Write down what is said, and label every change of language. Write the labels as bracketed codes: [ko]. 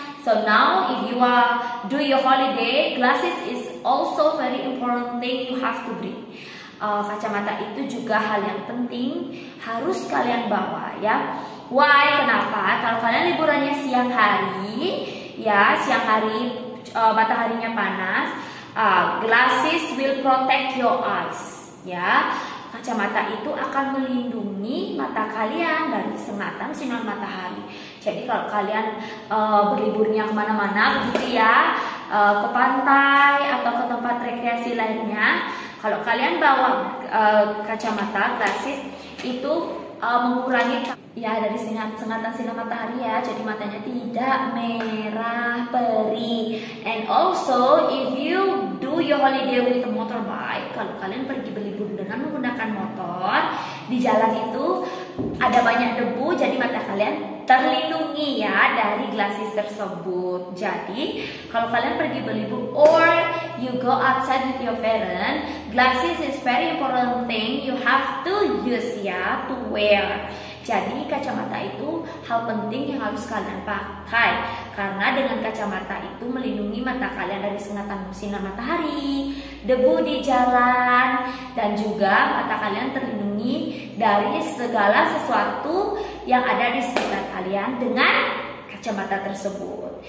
[en] So now if you are do your holiday, glasses is also very important thing you have to bring. [id] Kacamata itu juga hal yang penting harus kalian bawa, ya. [en] Why? [id] Kenapa? Kalau kalian liburannya siang hari, ya, siang hari mataharinya panas, [en] glasses will protect your eyes, [id] ya. Kacamata itu akan melindungi mata kalian dari sengatan sinar matahari. Jadi kalau kalian berliburnya kemana-mana gitu, ya, ke pantai atau ke tempat rekreasi lainnya, kalau kalian bawa kacamata glasses itu mengurangi, ya, dari sengatan sinar matahari, ya. Jadi matanya tidak merah perih. [en] And also if you do your holiday with a motorbike, [id] kalau kalian pergi berlibur dengan menggunakan motor di jalan itu, ada banyak debu, jadi mata kalian terlindungi ya dari glasses tersebut. Jadi kalau kalian pergi berlibur [en] or you go outside with your parent, glasses is very important thing you have to use ya, to wear. [id] Jadi kacamata itu hal penting yang harus kalian pakai, karena dengan kacamata itu melindungi mata kalian dari sengatan sinar matahari, debu di jalan, dan juga mata kalian terlindungi dari segala sesuatu yang ada di sekitar kalian dengan kacamata tersebut.